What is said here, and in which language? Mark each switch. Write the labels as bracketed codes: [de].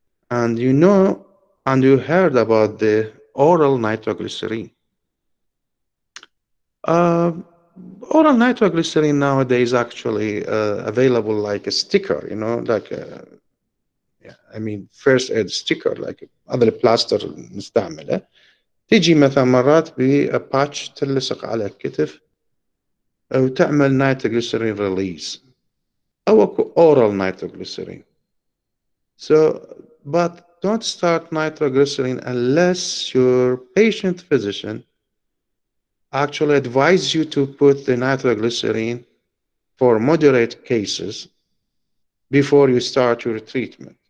[en] And you know, and you heard about the oral nitroglycerin. Oral nitroglycerin nowadays actually available like a sticker, you know, like a, I mean, first aid sticker, like other plaster مستعمله. [ar] تيجي مثلا مرات بي [en] a patch [ar] تلصق على الكتف وتعمل [en] nitroglycerin release. [ar] أو أكو [en] oral nitroglycerin. So, but don't start nitroglycerin unless your patient physician actually advises you to put the nitroglycerin for moderate cases before you start your treatment.